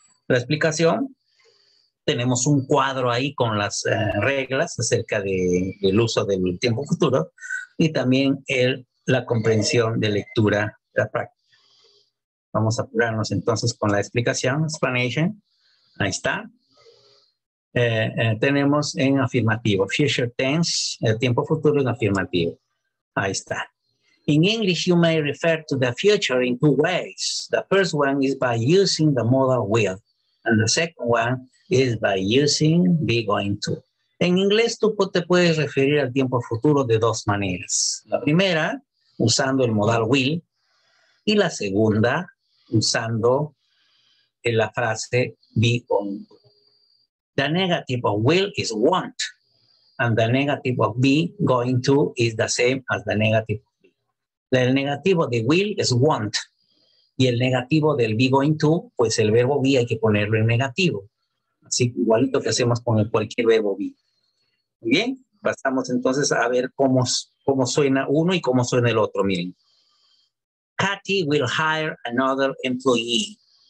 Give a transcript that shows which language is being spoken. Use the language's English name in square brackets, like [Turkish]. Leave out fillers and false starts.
[Spanish] La explicación, tenemos un cuadro ahí con las reglas acerca del uso del tiempo futuro y también la comprensión de lectura, la práctica. Vamos a apurarnos entonces con la explicación, explanation. Ahí está. Tenemos en afirmativo, future tense, el tiempo futuro en afirmativo. Ahí está. [English] In English, you may refer to the future in two ways. The first one is by using the modal will. And the second one is by using be going to. [Spanish] En inglés, tú te puedes referir al tiempo futuro de dos maneras. La primera, usando el modal will. Y la segunda, usando la frase be going to. The negative of will is want. And the negative of be going to is the same as the negative. El negativo de will es want. Y el negativo del be going to, pues el verbo be hay que ponerlo en negativo. Así que igualito que hacemos con cualquier verbo be. Bien, pasamos entonces a ver cómo suena uno y cómo suena el otro. Miren. [English] Kathy will hire another employee.